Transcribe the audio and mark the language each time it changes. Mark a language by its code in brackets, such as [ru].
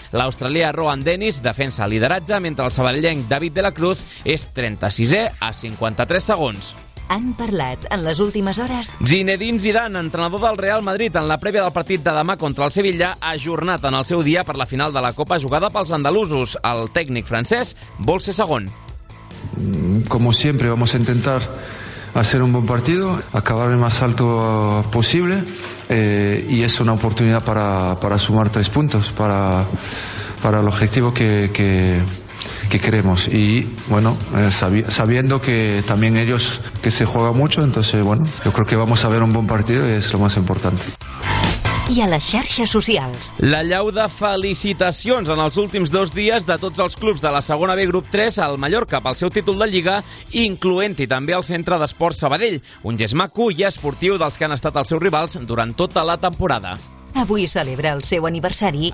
[ca] L'australià Rohan Dennis defensa el lideratge, mentre el sabadellenc David de la Cruz és 36è a 53 segons. han parlat en les últimes hores. Zinedine Zidane, entrenador del Real Madrid en la prèvia del partit de demà contra el Sevilla, ha ajornat en el seu dia per la final de la Copa jugada pels andalusos. El tècnic francès vol ser segon. [es] Como siempre, vamos a intentar hacer un buen partido, acabar el más alto posible, y es una oportunidad para sumar tres puntos para el objetivo que queremos. Y bueno, sabiendo que también ellos que se juega mucho, entonces bueno, yo creo que vamos a ver un buen partido y es lo más importante. [ca] I a les xarxes socials. La llau de felicitacions en els últims dos dies de tots els clubs de la segona B grup 3 al Mallorca pel seu títol de Lliga, incloent-hi també el Centre d'Esports Sabadell, un gest maco i esportiu dels que han estat els seus rivals durant tota la temporada. Avui celebra el seu aniversari.